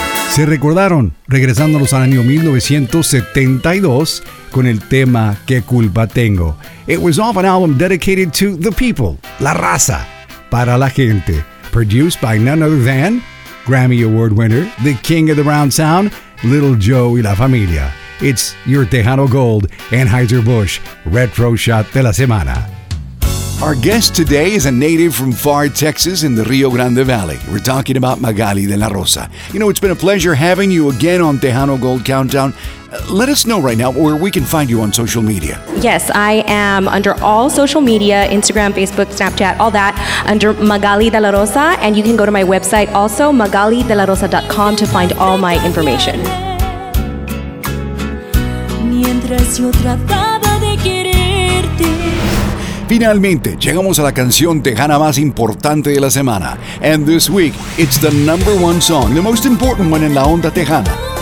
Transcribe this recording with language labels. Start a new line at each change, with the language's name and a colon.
Spanish: Se recordaron, regresándonos al año 1972 con el tema ¿Qué culpa tengo?
English: It was off an album dedicated to the people,
Spanish: la raza, para la gente.
English: Produced by none other than Grammy Award winner, the king of the round sound, Little Joe y la familia. It's your Tejano Gold, Anheuser-Busch, Retro Shot de la Semana. Our guest today is a native from far Texas in the Rio Grande Valley. We're talking about Magaly de la Rosa. You know, it's been a pleasure having you again on Tejano Gold Countdown. Let us know right now where we can find you on social media. Yes, I am under all social media, Instagram, Facebook, Snapchat, all that, under Magaly de la Rosa. And you can go to my website also, magalydelarosa.com, to find all my information.
Spanish: Finalmente, llegamos a la canción tejana más importante de la semana.
English: And this week, it's the number one song, the most important one in la onda tejana.